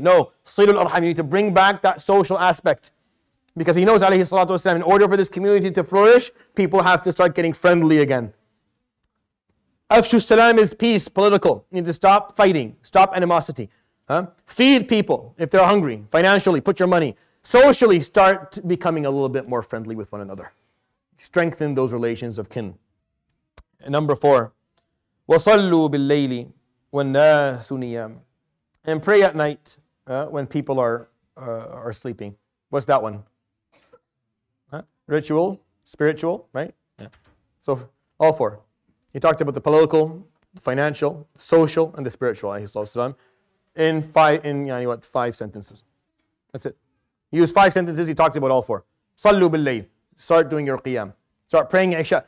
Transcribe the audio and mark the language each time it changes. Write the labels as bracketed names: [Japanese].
[English] No, silu al-arham, you need to bring back that social aspect. Because he knows, alayhi salatu wasalam, in order for this community to flourish, people have to start getting friendly again. Afshu salam is peace, political. You need to stop fighting, stop animosity. Feed people if they're hungry, financially, put your money. Socially, start becoming a little bit more friendly with one another. Strengthen those relations of kin. And number four, [Arabic] وَصَلُّوا بِاللَّيْلِ وَالنَّاسُ نِيَامُ. [English] And pray at night when people are sleeping. What's that one? Ritual, spiritual, right? Yeah. So all four. He talked about the political, the financial, the social, and the spiritual. In five sentences. That's it. He used five sentences. He talked about all four. Sallu bil-layl. Start doing your qiyam. Start praying isha.